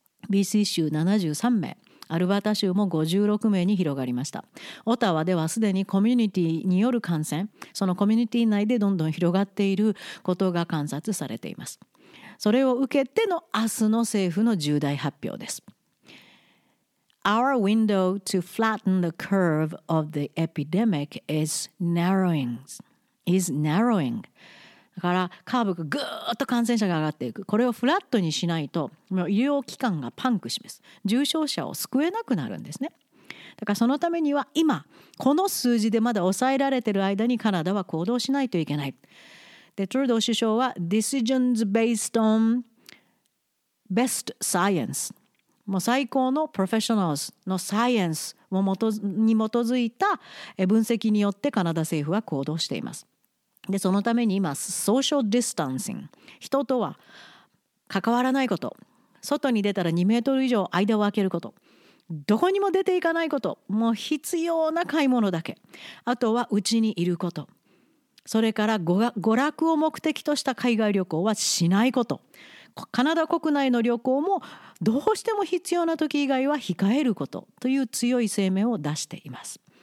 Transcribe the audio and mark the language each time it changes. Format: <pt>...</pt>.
<ja>BC 州73名、アルバータ州も56名に広がりました。オタワではすでにコミュニティによる感染、そのコミュニティ内でどんどん広がっていることが観察されています。それを受けての明日の政府の重大発表です。</ja> <en>Our window to flatten the curve of the epidemic is narrowing.</en> <ja>だからカーブがぐーっと感染者が上がっていく。これをフラットにしないと、もう医療機関がパンクします。重症者を救えなくなるんですね。だからそのためには今、この数字でまだ抑えられている間にカナダは行動しないといけない。で、トルドー首相は</ja> <en>Decisions based on best science。</en> <ja>もう最高のプロフェッショナルズのサイエンスに基づいた分析によってカナダ政府は行動しています。で、そのために今、ソーシャルディスタンシング、人とは関わらないこと、外に出たら2メートル以上間を空けること、どこにも出ていかないこと、もう必要な買い物だけ、あとは家にいること、それから娯楽を目的とした海外旅行はしないこと、カナダ国内の旅行もどうしても必要な時以外は控えることという強い声明を出しています。</ja>